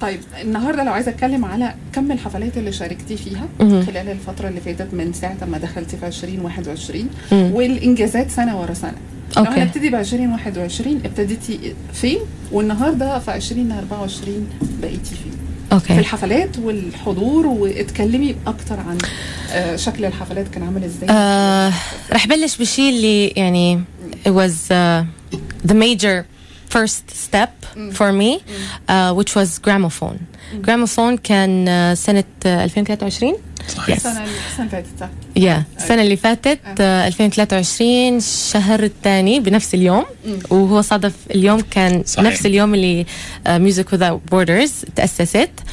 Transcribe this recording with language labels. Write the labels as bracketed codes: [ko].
[ar] طيب النهاردة لو عايز أتكلم على كم الحفلات اللي شاركتي فيها خلال الفترة اللي فاتت من ساعة ما دخلتي في 2021 والإنجازات سنة ورا سنة. أوكي. لو هنبتدي بعشرين واحد وعشرين ابتديتي فين، والنهاردة في 2024 بقيتي فين؟ أوكي. في الحفلات والحضور، واتكلمي أكتر عن شكل الحفلات كان عامل إزاي. رح بلش بشي اللي يعني [en] it was the major first step for me which was gramophone. [ar] Gramophone كان سنة 2023. صحيح. [en] Yes. [ar] السنة اللي فاتت 2023 شهر الثاني بنفس اليوم، وهو صادف اليوم كان صحيح. نفس اليوم اللي Music Without Borders تأسست.